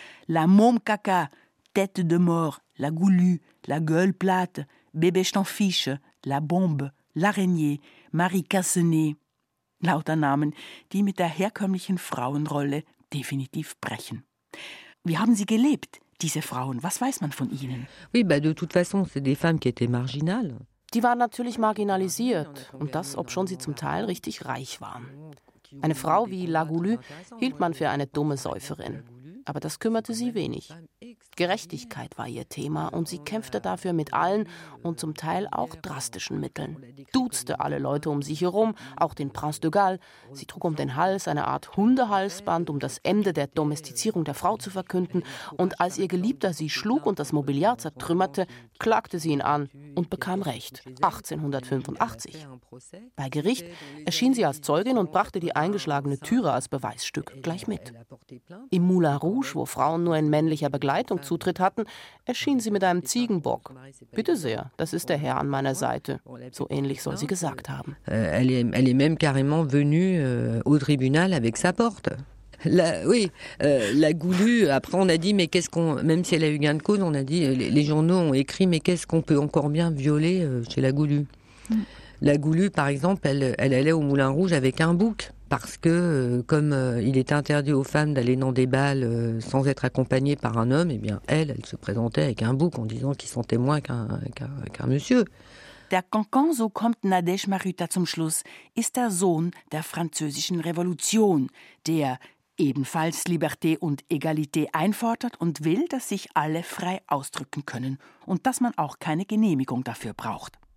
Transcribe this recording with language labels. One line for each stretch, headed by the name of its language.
German: La Môme Caca, Tête de Mort, La Goulue, La Gueule Plate, Bébé J't'en Fiche, La Bombe, L'Araignée, Marie Cassenet, lauter Namen, die mit der herkömmlichen Frauenrolle definitiv brechen. Wie haben sie gelebt, diese Frauen? Was weiß man von ihnen? Oui, de toute façon, c'est des femmes qui étaient marginales. Die waren natürlich marginalisiert, und das, obschon sie zum Teil richtig reich waren. Eine Frau wie La Goulue hielt man für eine dumme Säuferin. Aber das kümmerte sie wenig. Gerechtigkeit war ihr Thema und sie kämpfte dafür mit allen und zum Teil auch drastischen Mitteln. Duzte alle Leute um sich herum, auch den Prince de Galles. Sie trug um den Hals eine Art Hundehalsband, um das Ende der Domestizierung der Frau zu verkünden. Und als ihr Geliebter sie schlug und das Mobiliar zertrümmerte, klagte sie ihn an und bekam Recht. 1885. Bei Gericht erschien sie als Zeugin und brachte die eingeschlagene Türe als Beweisstück gleich mit. Im Moulin Rouge, wo Frauen nur in männlicher Begleitung Zutritt hatten, erschien sie mit einem Ziegenbock. Bitte sehr, das ist der Herr an meiner Seite. So ähnlich soll sie gesagt haben.
French: Elle est même carrément venue au tribunal avec sa porte. La Goulue, après on a dit, mais qu'est-ce qu'on, même si elle a eu gain de cause, on a dit, les journaux ont écrit, mais qu'est-ce qu'on peut encore bien violer chez la Goulue? La Goulue, par exemple, elle allait au Moulin Rouge avec un bouc. Parce que, comme il est interdit aux femmes d'aller dans des balles sans être accompagnées par un homme, eh bien, elle se présentait avec un bouc en disant qu'ils sont témoins qu'un monsieur.
German: Der Cancan, so kommt Nadège Maruta zum Schluss, ist der Sohn der französischen Revolution, der ebenfalls Liberté und Égalité einfordert und will, dass sich alle frei ausdrücken können und dass man auch keine Genehmigung dafür braucht.